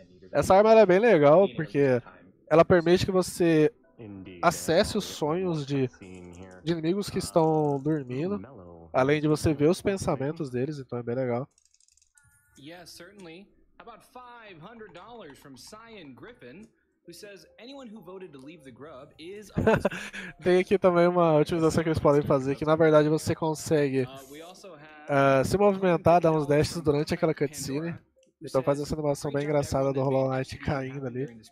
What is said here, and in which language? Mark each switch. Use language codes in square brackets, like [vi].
[pt] Essa arma é bem legal porque ela permite que você acesse os sonhos de inimigos que estão dormindo, além de você ver os pensamentos deles, então é bem legal. [en] Yes, certainly. About $500 from Cyan Griffin, who says anyone who voted to leave the grub is. [pt] Tem aqui também uma otimização que eles podem fazer, que na verdade você consegue se movimentar, dar uns dashes durante aquela cutscene. Então faz essa animação bem engraçada do Hollow Knight caindo ali.